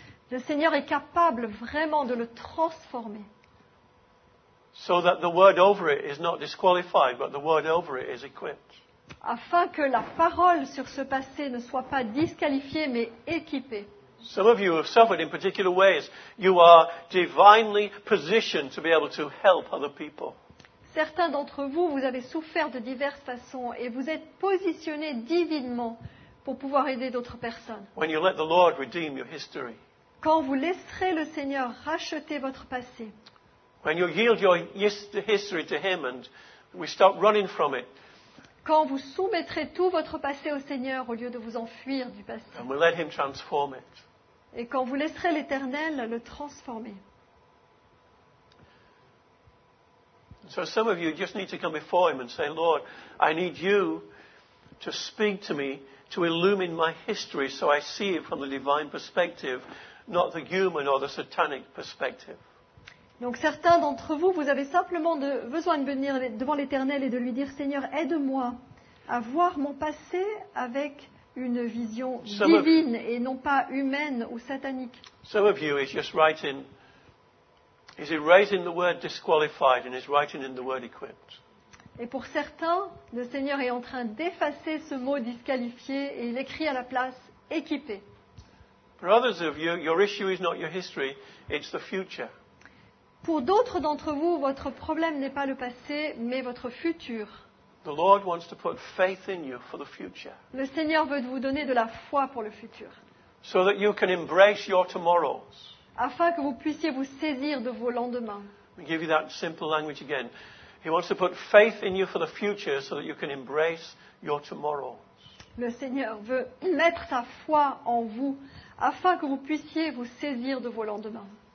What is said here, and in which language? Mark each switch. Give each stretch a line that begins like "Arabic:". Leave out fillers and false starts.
French: Le Seigneur est capable vraiment de le transformer.
English: So that the word over it is not disqualified, but the word over it is equipped.
French: Afin que la parole sur ce passé ne soit pas disqualifiée, mais équipée.
English: Some of you have suffered in particular ways. You are divinely positioned to be able to help other people.
French: Certains d'entre vous, vous avez souffert de diverses façons et vous êtes positionnés divinement pour pouvoir aider d'autres personnes.
English: When you let the Lord redeem your history.
French: Quand vous laisserez le Seigneur racheter votre passé.
English: When you yield your history to him and we stop running from it.
French: Quand vous soumettrez tout votre passé au Seigneur au lieu de vous enfuir du passé.
English: And we let him transform it.
French: Et quand vous laisserez l'Éternel le transformer.
English: So some of you just need to come before him and say, Lord, I need you to speak to me, to illumine my history so I see it from the divine perspective, not the human or the satanic perspective.
French: Donc certains d'entre vous, vous avez simplement besoin de venir devant l'Éternel et de lui dire, Seigneur, aide-moi à voir mon passé avec une vision divine et non pas humaine ou satanique.
English: Some of you is just writing, is erasing the word disqualified and is writing in the word equipped.
French: Et pour certains, le Seigneur est en train d'effacer ce mot disqualifié et il écrit à la place équipé.
English: For others of you, your issue is not your history, it's the future.
French: Pour d'autres d'entre vous, votre problème n'est pas le passé, mais votre futur.
English: The Lord wants to put faith in you for the future.
French: Le Seigneur veut vous donner de la foi pour le futur.
English: So that you can embrace your tomorrows.
French: Afin que vous puissiez vous saisir de vos lendemains.
English: I'll give you that simple language again. He wants to put faith in you for the future so that you can embrace your tomorrows.
French: Le Seigneur veut mettre sa foi en vous afin que vous puissiez vous saisir de vos lendemains.